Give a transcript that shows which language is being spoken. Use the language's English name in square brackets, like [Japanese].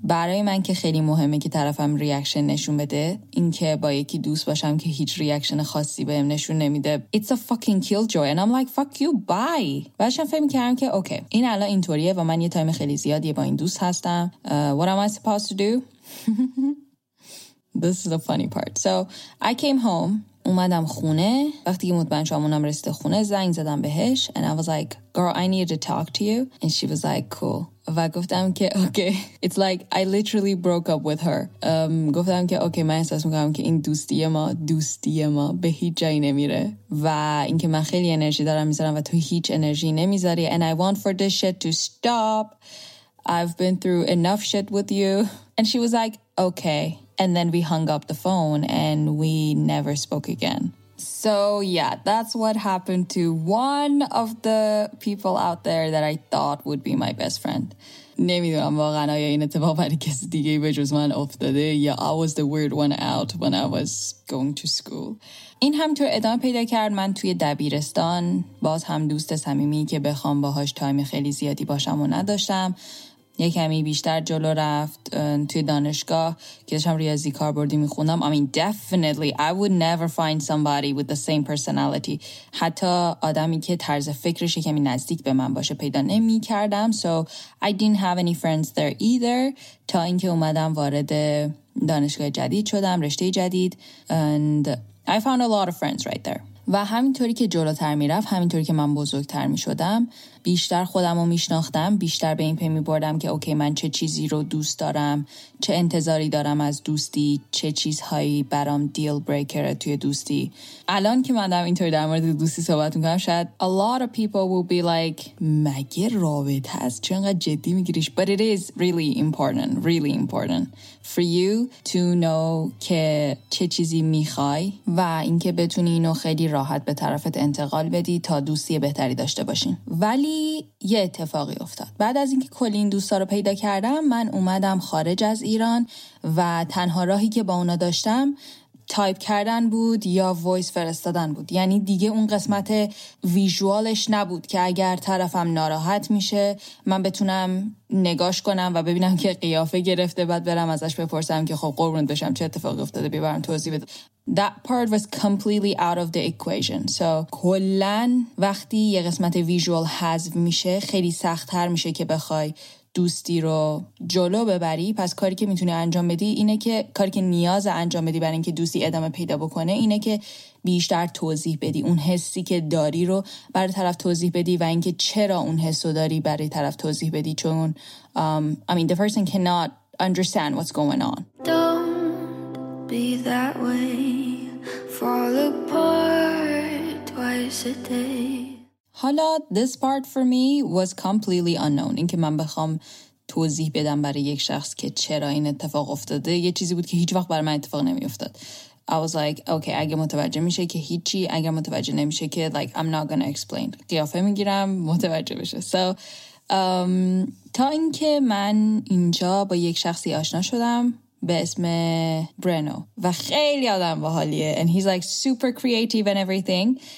[Persian] برای من که خیلی مهمه که طرفم ریاکشن نشون بده، این که با یکی دوست باشم که هیچ ریاکشن خاصی به ام نشون نمیده [English] it's a fucking killjoy and I'm like fuck you bye. [Persian] بعدشم فهم کردم که اوکی، این الان اینطوریه و من یه تایم خیلی زیادی با این دوست هستم. [English] What am I supposed to do? This is the funny part. So I came home. [Persian] اومدم خونه. وقتی که مطمئن شدم اونم رسیده خونه، زنگ زدم بهش. [English] And I was like, girl, I need to talk to you. And she was like, cool. [Persian] و گفتم که [English] okay. It's like I literally broke up with her. [Persian] گفتم که okay, من احساس میکنم که این دوستی ما به هیچ جایی نمیره. و اینکه من خیلی انرژی دارم میذارم و تو هیچ انرژی نمیذاری. [English] And I want for this shit to stop. I've been through enough shit with you. And she was like, okay. And then we hung up the phone and we never spoke again. So yeah, that's what happened to one of the people out there that I thought would be my best friend. [Persian] نمیدونم واقعا آیا این اتفاق برای کسی دیگه به جز من افتاده یا [English] I was the weird one out when I was going to school. [Persian] این همطور ادامه پیدا کرد. من توی دبیرستان باز هم دوست صمیمی که بخوام باهاش تایم خیلی زیادی باشم و نداشتم. یه کمی بیشتر جلو رفت توی دانشگاه که داشتم ریاضی کاربردی میخوندم. [English] I mean definitely I would never find somebody with the same personality. [Persian] حتی آدمی که طرز فکرش یه کمی نزدیک به من باشه پیدا نمی کردم. [English] So I didn't have any friends there either. [Persian] تا اینکه اومدم وارد دانشگاه جدید شدم، رشته جدید. [English] And I found a lot of friends right there. [Persian] و همینطوری که جلوتر می رفت، همینطوری که من بزرگتر می شدم، بیشتر خودم رو می شناختم، بیشتر به این پی می بردم که اوکی من چه چیزی رو دوست دارم، چه انتظاری دارم از دوستی، چه چیزهایی برام دیل بریکره توی دوستی. الان که من دارم اینطوری در مورد دوستی صحبت می کنم، شاید [English] a lot of people will be like [Persian] مگه رابطه هست؟ چون اینقدر جدی می گیریش؟ [English] But it is really important, really important for you to know [Persian] که چه چیزی می خوای و اینکه بتونی اینو خیلی راحت به طرفت انتقال بدی تا دوستی بهتری داشته باشین. ولی یه اتفاقی افتاد. بعد از اینکه کلی این دوستا رو پیدا کردم، من اومدم خارج از ایران و تنها راهی که با اونا داشتم تایپ کردن بود یا وایس فرستادن بود. یعنی دیگه اون قسمت ویژوالش نبود که اگر طرفم ناراحت میشه من بتونم نگاش کنم و ببینم که قیافه گرفته، بعد برم ازش بپرسم که خب قربونت بشم چه اتفاقی افتاده بیارم توضیح بده. [English] That part was completely out of the equation. [Persian] So کلن وقتی یه قسمت ویژوال حذف میشه خیلی سخت‌تر میشه که بخوای دوستی رو جلو ببری. پس کاری که میتونی انجام بدی اینه که کاری که نیاز انجام بدی برای اینکه دوستی ادامه پیدا بکنه اینه که بیشتر توضیح بدی اون حسی که داری رو برای طرف توضیح بدی و اینکه چرا اون حس رو داری برای طرف توضیح بدی، چون [English] I mean the person cannot understand what's going on. Don't be that way. Fall apart twice a day. حالا this part for me was completely unknown. [Persian] این که من بخوام توضیح بدم برای یک شخص که چرا این اتفاق افتاده یه چیزی بود که هیچ وقت برای من اتفاق نمی افتاد. [English] I was like okay [Persian] اگه متوجه میشه که هیچی، اگه متوجه نمیشه که [English] like I'm not gonna explain. [Persian] قیافه میگیرم متوجه بشه. So تا اینکه من اینجا با یک شخصی آشنا شدم به اسم برنو و خیلی آدم باحالیه [English] and he's like super creative and everything.